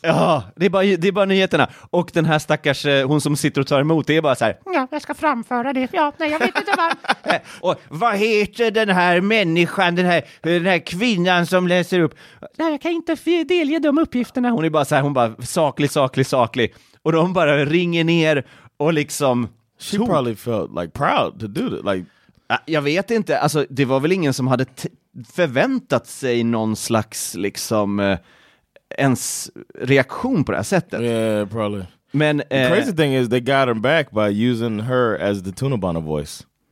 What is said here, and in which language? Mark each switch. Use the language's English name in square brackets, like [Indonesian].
[Swedish] Ja, det är bara nyheterna. Och den här stackars, hon som sitter och tar emot, det är bara så här: ja, jag ska framföra det, ja, nej, jag vet inte vad. Och vad heter den här människan, den här kvinnan som läser upp? Nej, jag kan inte delge de uppgifterna. Hon är bara så här, hon bara saklig. Och de bara ringer ner och liksom... [English] She probably felt like proud to do that. Like, [Swedish] jag vet inte. Alltså, det var väl ingen som hade förväntat sig någon slags liksom ens reaktion på det här sättet. [English] Yeah, probably. [Swedish] Men [English] the crazy thing is they got her back by using her as the Tunabana voice.